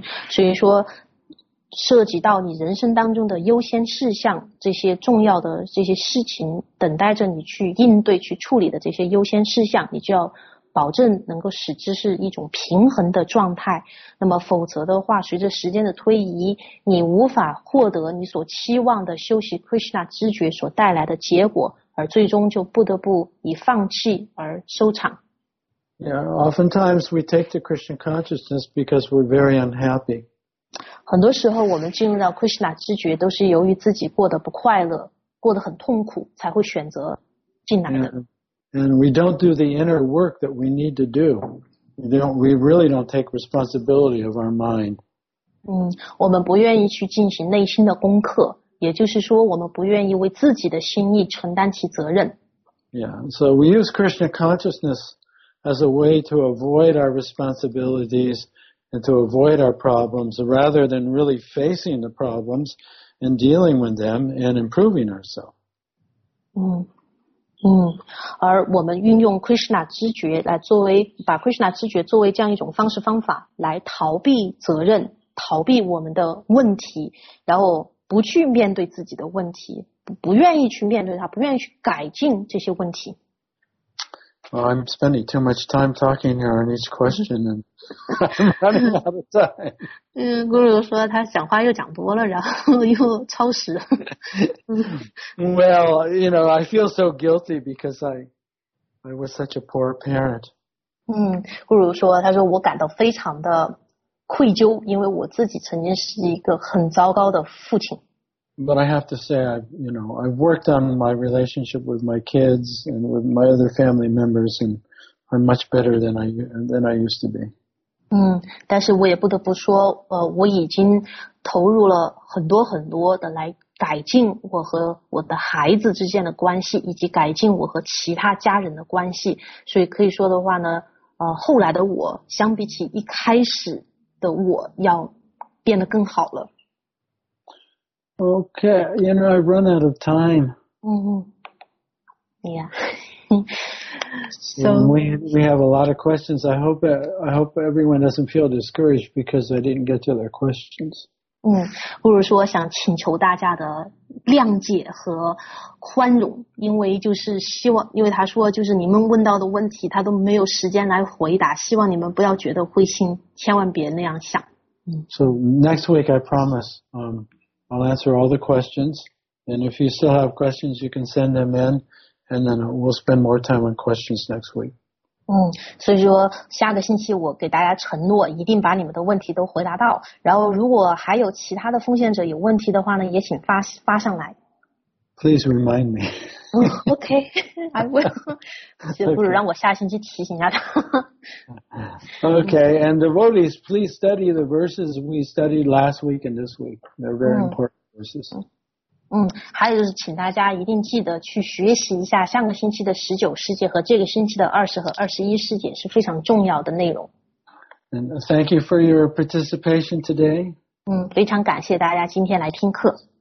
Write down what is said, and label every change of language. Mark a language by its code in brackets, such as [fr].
[zh] 所以说涉及到你人生当中的优先事项，这些重要的这些事情等待着你去应对去处理的这些优先事项，你就要保证能够使之是一种平衡的状态。那么否则的话，随着时间的推移，你无法获得你所期望的修习 Krishna 知觉所带来的结果，而最终就不得不以放弃而收场。 [en] Yeah, oftentimes we take to Krishna consciousness because we're very unhappy. [zh] 很多时候我们进入到 Krishna 知觉都是由于自己过得不快乐，过得很痛苦，才会选择进来的。 [en] And we don't do the inner work that we need to do. We really don't take responsibility of our mind. [zh] 我们不愿意去进行内心的功课，也就是说我们不愿意为自己的心意承担起责任。 [en] Yeah, so we use Krishna consciousness as a way to avoid our responsibilitiesAnd to avoid our problems, rather than really facing the problems and dealing with them and improving ourselves. [zh] 而我们运用 Krishna 知觉来作为，把 Krishna 知觉作为这样一种方式方法来逃避责任，逃避我们的问题，然后不去面对自己的问题，不愿意去面对它，不愿意去改进这些问题。 [en] Well, I'm spending too much time talking here on each question, and I'm running out of time. [zh] Guru 说他讲话又讲多了，然后又超时。 [en] Well, you know, I feel so guilty because I was such a poor parent. [zh] Guru 说，他说我感到非常的愧疚，因为我自己曾经是一个很糟糕的父亲。 [en] But I have to say, I've worked on my relationship with my kids and with my other family members, and I'm much better than I used to be. [zh] 但是我也不得不说，我已经投入了很多很多的来改进我和我的孩子之间的关系，以及改进我和其他家人的关系。所以可以说的话呢，后来的我相比起一开始的我要变得更好了。 [en] Okay, you know, I've run out of time. Yeah. So, we have a lot of questions. I hope everyone doesn't feel discouraged because I didn't get to their questions. [zh] 不如说想请求大家的谅解和宽容，因为就是希望，因为他说就是你们问到的问题他都没有时间来回答，希望你们不要觉得灰心，千万别那样想。 [en] So next week I promise, I'll answer all the questions, and if you still have questions, you can send them in, and then we'll spend more time on questions next week. [zh] 所以说下个星期我给大家承诺，一定把你们的问题都回答到。然后如果还有其他的奉献者有问题的话呢，也请发上来。 [en] Please remind me. Okay, I will. [zh] 不如让我下星期提醒一下他。 [en] Okay, and devotees, please study the verses we studied last week and this week. They're very important verses. [zh] 还有就是请大家一定记得去学习一下上个星期的十九世界和这个星期的二十和二十一世界，是非常重要的内容。 [en] And thank you for your participation today. [zh] 非常感谢大家今天来听课。